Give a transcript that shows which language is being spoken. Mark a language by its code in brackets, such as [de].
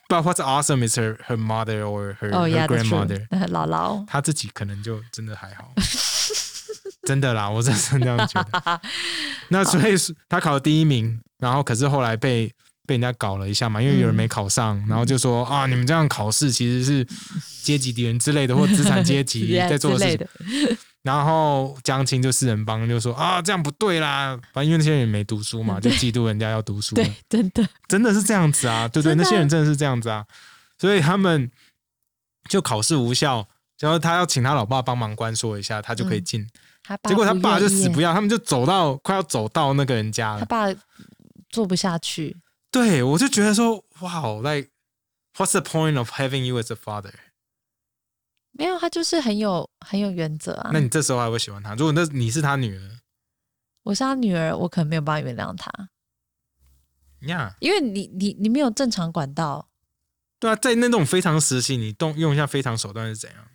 [en] But what's awesome is her mother or her,、 oh, yeah, her grandmother. [zh] 姥姥。她自己可能就真的还好。真的啦，我真的是这样觉得。那所以她考了第一名，然后可是后来被人家搞了一下嘛，因为有人没考上、嗯、然后就说啊，你们这样考试其实是阶级敌人之类的，或资产阶级在做的事情。 yeah, 之类的。然后江青就四人帮就说啊，这样不对啦，反正因为那些人没读书嘛，就嫉妒人家要读书，对，真的真的是这样子啊，对对，那些人真的是这样子啊，所以他们就考试无效，然后他要请他老爸帮忙关说一下他就可以进、嗯、结果他爸就死不要，他们就走到快要走到那个人家了，他爸坐不下去，对，我就觉得说哇、 [en] like, What's the point of having you as a father? [zh] 没有，他就是很有原则啊。那你这时候还会喜欢他？如果那你是他女儿，我是他女儿，我可能没有办法原谅他。 [en] Yeah. [zh] 因为你没有正常管道。对啊，在那种非常时期，你用一下非常手段是怎样？